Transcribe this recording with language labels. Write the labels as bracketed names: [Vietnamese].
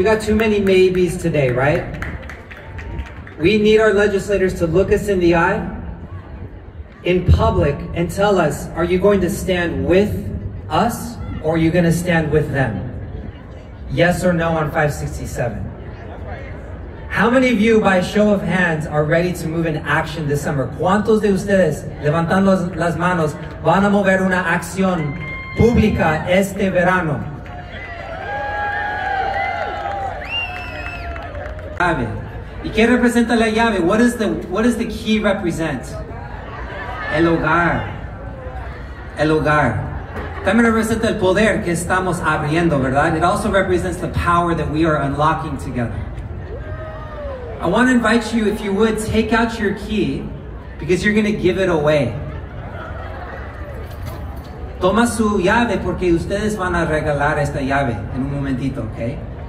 [English] We got too many maybes today, right? We need our legislators to look us in the eye in public and tell us, are you going to stand with us or are you going to stand with them? Yes or no on 567. How many of you, by show of hands, are ready to move in action this summer? [Spanish] ¿Cuántos de ustedes, levantando las manos, van a mover una acción pública este verano? ¿Y quién representa la llave? [English] What does the key represent? [Spanish] El hogar. El hogar. También representa el poder que estamos abriendo, ¿verdad? [English] It also represents the power that we are unlocking together. I want to invite you, if you would, take out your key, because you're going to give it away. [Spanish] Toma su llave, porque ustedes van a regalar esta llave en un momentito, okay?